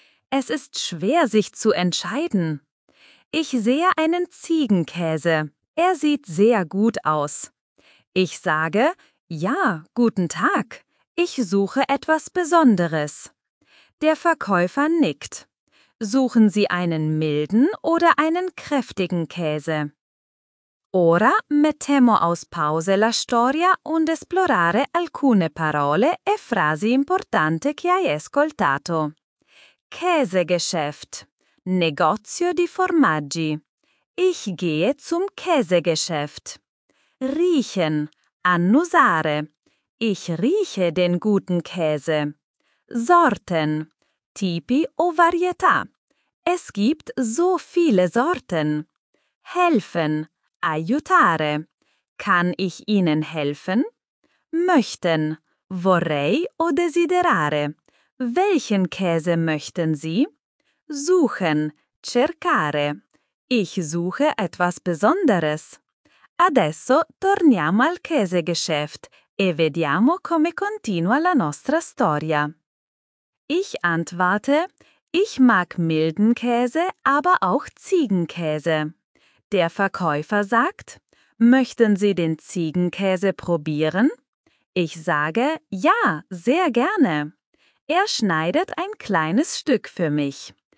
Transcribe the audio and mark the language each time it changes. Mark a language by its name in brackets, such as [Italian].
[German] Es ist schwer, sich zu entscheiden. Ich sehe einen Ziegenkäse. Er sieht sehr gut aus. Ich sage, ja, guten Tag. Ich suche etwas Besonderes. Der Verkäufer nickt. Suchen Sie einen milden oder einen kräftigen Käse? [Italian] Ora mettiamo a pausa la storia und esplorare alcune parole e frasi importanti che hai ascoltato. Käsegeschäft. Negozio di formaggi. [German] Ich gehe zum Käsegeschäft. Riechen. Annusare. Ich rieche den guten Käse. Sorten. [Italian] Tipi o varietà. [German] Es gibt so viele Sorten. Helfen. Aiutare. Kann ich Ihnen helfen? Möchten. [Italian] Vorrei o desiderare. [German] Welchen Käse möchten Sie? Suchen. Cercare. Ich suche etwas Besonderes. [Italian] Adesso torniamo al Käsegeschäft e vediamo come continua la nostra storia. [German] Ich antworte, ich mag milden Käse, aber auch Ziegenkäse. Der Verkäufer sagt, möchten Sie den Ziegenkäse probieren? Ich sage, ja, sehr gerne. Er schneidet ein kleines Stück für mich.